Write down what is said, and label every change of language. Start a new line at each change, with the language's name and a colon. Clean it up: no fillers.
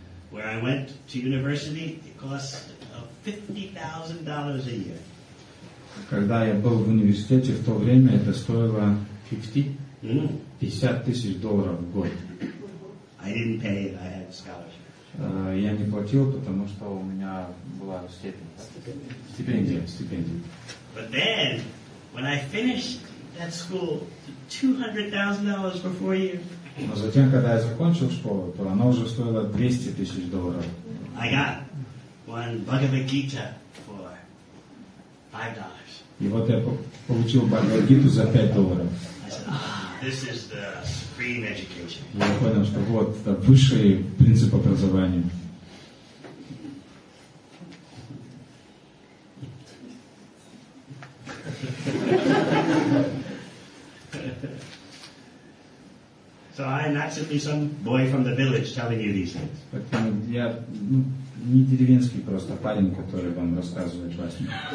English: Where I went to university, it cost $50,000 a year.
Russian: Когда я был в университете, в то время это стоило 50 тысяч долларов в год.
English: I didn't pay it, I had a scholarship.
Russian: Я не платил, потому что у меня была стипендия.
English: But then, when I finished that school, $200,000 for 4 years.
Russian: Но затем, когда я закончил школу, то она уже стоила 200 тысяч долларов.
English: I got one Bhagavad Gita for $5.
Russian: И вот я получил Бхагавад-гиту за $5.
English: This is the supreme education.
Russian: Я понял, что вот это высший принцип образования.
English: So I'm not simply some boy from the village telling you these things.
Russian: But я не деревенский просто парень, который вам рассказывает басни.